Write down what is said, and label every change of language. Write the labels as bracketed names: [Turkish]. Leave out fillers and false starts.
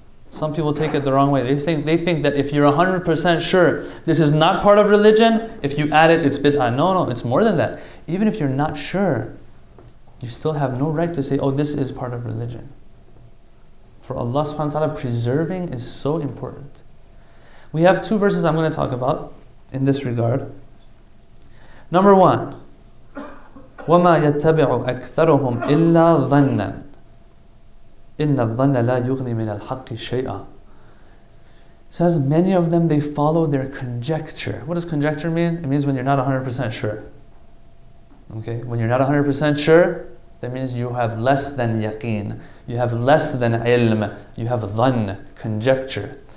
[English] Some people take it the wrong way. They think that if you're 100% sure this is not part of religion, if you add it, it's bid'ah. No, no, it's more than that. Even if you're not sure, you still have no right to say, oh, this is part of religion. For Allah subhanahu wa ta'ala, preserving is so important. We have two verses I'm going to talk about in this regard. Number one, [Arabic] وَمَا يَتَّبِعُ أَكْثَرُهُمْ إِلَّا ظَنًّا إِنَّ الظَّنَّ لَا يُغْنِي مِنَ الْحَقِّ شَيْئًا. [English] It says many of them, they follow their conjecture. What does conjecture mean? It means when you're not 100% sure. Okay, when you're not 100% sure, that means you have less than yaqeen, you have less than ilm, you have dhan, conjecture.